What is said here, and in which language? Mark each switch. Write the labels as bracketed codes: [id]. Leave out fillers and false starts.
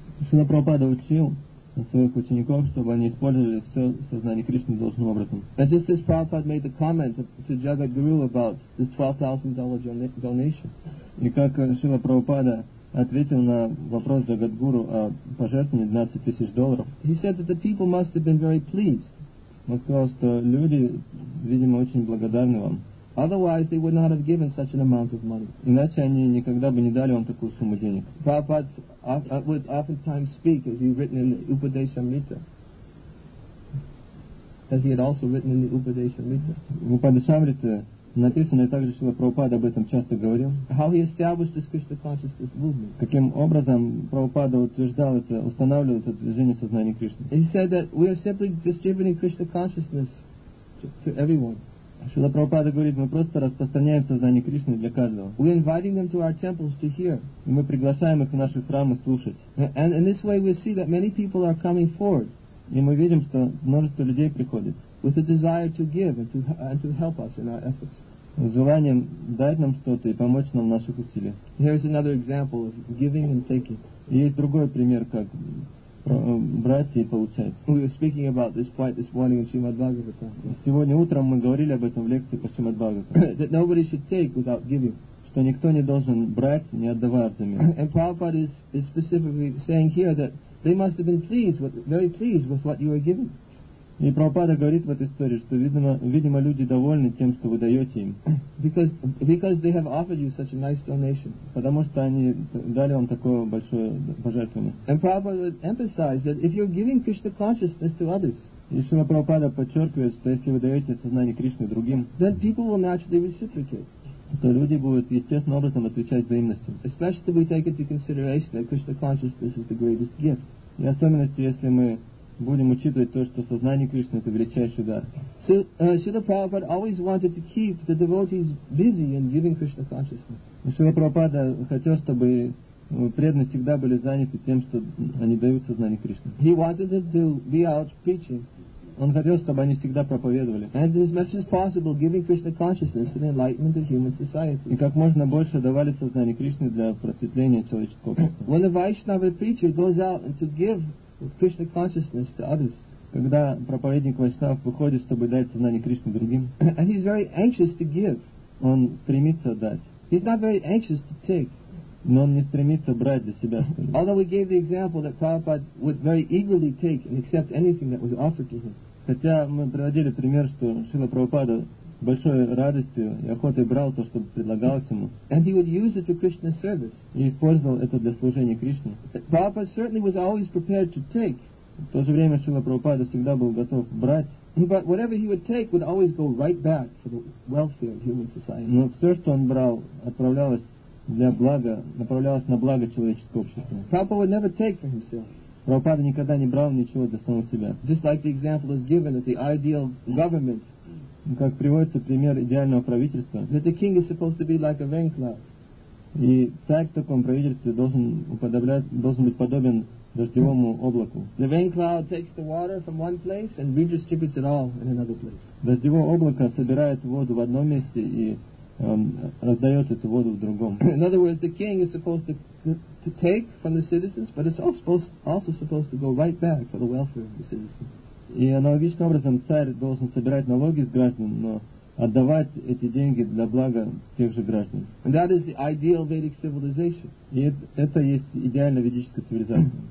[ru] Шрила Прабхупада учил своих учеников, чтобы они использовали все сознание Кришны должным образом. [en] And just as Prabhupada made the comment to Jagadguru about this $12,000 donation. [ru] И как Шрила Прабхупада ответил на вопрос Джагадгуру о пожертвовании $12,000. [en] He said that the people must have been very pleased. [ru] Он сказал, что люди, видимо, очень благодарны вам. [en] Otherwise, they would not have given such an amount of money. [ru] Иначе они никогда бы не дали вам такую сумму денег. [en] Prabhupada would oftentimes speak, as he had written in the Upadeshamrita. [ru] В Упадешамрите написано, и также Шрила Прабхупада об этом часто говорил. [en] How he established this Krishna consciousness movement. [ru] Каким образом Прабхупада утверждал это, устанавливал это движение сознания Кришны. [en] He said that we are simply distributing Krishna consciousness to everyone. [ru] Шрила Прабхупада говорит, мы просто распространяем сознание Кришны для каждого. [en] We're inviting them to our temples to hear. [ru] И мы приглашаем их в наши храмы слушать. [en] And in this way we see that many people are coming forward. [ru] И мы видим, что множество людей приходит. [en] With a desire to give and to help us in our efforts. [ru] С желанием дать нам что-то и помочь нам в наших усилиях. [en] Here's another example of giving and taking. [ru] И есть другой пример, как брать и получать. [en] We were speaking about this point this morning in Srimad Bhagavatam. [ru] Сегодня утром мы говорили об этом в лекции по Srimad Bhagavatam. [en] That nobody should take without giving. [ru] Что никто не должен брать, не отдавая взамен. [en] And Prabhupada is specifically saying here that they must have been very pleased with what you are giving. [ru] И Прабхупада говорит в этой истории, что видимо люди довольны тем, что вы даете им. [en] Because they have offered you such a nice donation. [ru] Потому что они дали вам такое большое пожертвование. [en] And Prabhupada would emphasize that if you're giving Krishna consciousness to others. [ru] И Шрила Прабхупада подчеркивает, что если вы даете сознание Кришны другим. [en] Then people will naturally reciprocate. [ru] То люди будут естественным образом отвечать взаимностью. [en] Especially if we take into consideration that Krishna consciousness is the greatest gift. [ru] И особенно если мы будем учитывать то, что сознание Кришны — это величайший дар. [en] So, Srila Prabhupada always wanted to keep the devotees busy in giving Krishna consciousness. [ru] Srila Prabhupada хотел, чтобы преданные всегда были заняты тем, что они дают сознание Кришны. [en] He wanted them to be out preaching. [ru] Он хотел, чтобы они всегда проповедовали. [en] And as much as possible, giving Krishna consciousness for the enlightenment of human society. [ru] И как можно больше давали сознание Кришны для просветления человеческого общества. [en] When a Vaishnava preacher goes out and to give Krishna consciousness to others. [ru] Когда проповедник Вайшнав выходит, чтобы дать сознание Кришны другим. [en] And he's very anxious to give. [ru] Он стремится дать. [en] He's not very anxious to take. [ru] Но он не стремится брать для себя. [en] Although we gave the example that Prabhupada would very eagerly take and accept anything that was offered to him. [ru] Хотя мы приводили пример, что Шрила Прабхупада большой радостью и охотой брал то, что предлагалось ему. [en] And he would use it to Krishna's service. [ru] И использовал это для служения Кришне. [en] Prabhupada certainly was always prepared to take. [ru] В то же время Шрила Прабхупада всегда был готов брать. [en] But whatever he would take would always go right back for the welfare of human society. [ru] Но все, что он брал, отправлялось для блага, направлялось на благо человеческого общества. [en] Prabhupada would never take for himself. [ru] Прабхупада никогда не брал ничего для самого себя. [en] Just like the example is given that the ideal government. [ru] Как приводится пример идеального правительства. [en] That the king is supposed to be like a rain cloud. [ru] И царь в таком правительстве должен быть подобен дождевому облаку. [en] The rain cloud takes the water from one place and redistributes it all in another place. [ru] Дождевое облако собирает воду в одном месте и раздает эту воду в другом. [en] In other words, the king is supposed to take from the citizens, but it's also supposed to go right back for the welfare of the citizens. [ru] И аналогичным образом царь должен собирать налоги с граждан, но отдавать эти деньги для блага тех же граждан. [en] And that is the ideal Vedic civilization. [ru] И это есть идеальная ведическая цивилизация.